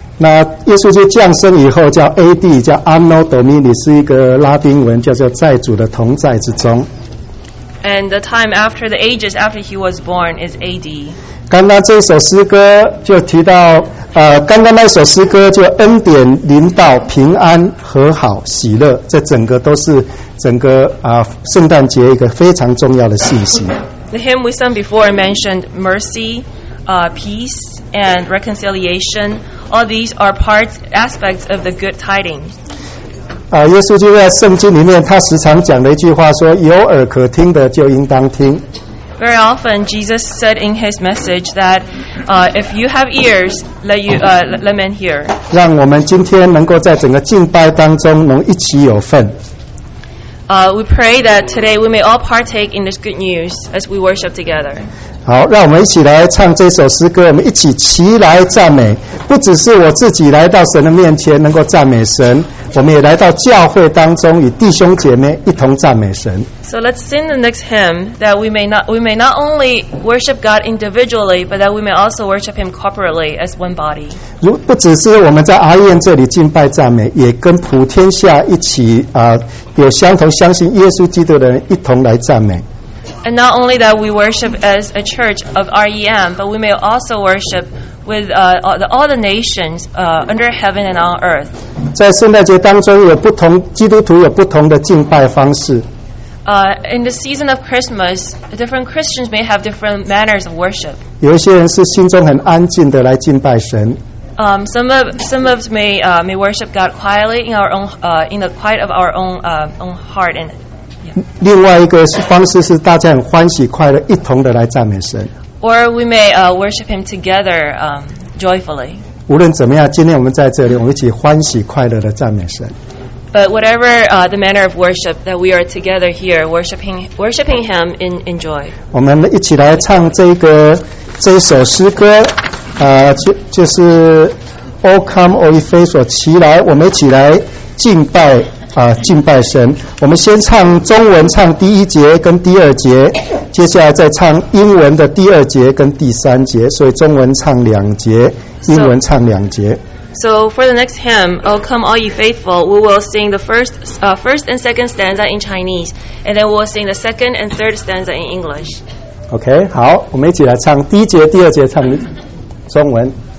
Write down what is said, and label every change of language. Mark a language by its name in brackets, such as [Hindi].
[Chinese] 那耶稣基督降生以后叫 A.D. 叫 Anno Domini， 是一个拉丁文，叫做在主的同在之中。 [English] And the time after the ages after he was born is A.D. [Chinese] 刚刚这首诗歌就提到，刚刚那首诗歌就恩典临到，平安和好喜乐，这整个都是。整个圣诞节一个非常重要的信息。 [English] The hymn we sung before mentioned mercy, peace, and reconciliation. All these are parts, aspects of the good tidings. [Chinese] 耶稣就在圣经里面，他时常讲了一句话，说有耳可听的就应当听。 [English] Very often, Jesus said in his message that, if you have ears, let men hear. [Chinese] 让我们今天能够在整个敬拜当中能一起有份。 [English] We pray that today we may all partake in this good news as we worship together. [Chinese] 好，让我们一起来唱这首诗歌，我们一起齐来赞美。不只是我自己来到神的面前能够赞美神，我们也来到教会当中与弟兄姐妹一同赞美神。 [English] So let's sing the next hymn that we may not only worship God individually, but that we may also worship Him corporately as one body. [Chinese] 如不只是我们在阿燕这里敬拜赞美，也跟普天下一起有相同相信耶稣基督的人一同来赞美。 [English] And not only that we worship as a church of REM, but we may also worship with all the nations under heaven and on earth. [Chinese] 在圣诞节当中，有不同基督徒有不同的敬拜方式。 [English] In the season of Christmas, different Christians may have different manners of worship. [Chinese] 有一些人是心中很安静的来敬拜神。 [English] Some of us may worship God quietly in our own in the quiet of our own own heart and. [Chinese] 另外一个方式是大家很欢喜快乐一同的来赞美神。 [English] Or we may worship Him together joyfully. [Chinese] 无论怎么样，今天我们在这里，我们一起欢喜快乐的赞美神。 [English] But whatever the manner of worship that we are together here worshiping Him in joy. [Chinese] 我们一起来唱这首诗歌，就是 O Come O Ye Faithful， 起来，我们一起来敬拜。敬拜神，我们先唱中文，唱第一节跟第二节，接下来再唱英文的第二节跟第三节，所以中文唱两节，英文唱两节。 [English] So for the next hymn, O Come All Ye Faithful, we will sing the first and second stanza in Chinese, and then we'll sing the second and third stanza in English. [Chinese] OK， 好，我们一起来唱第一节、第二节，唱中文。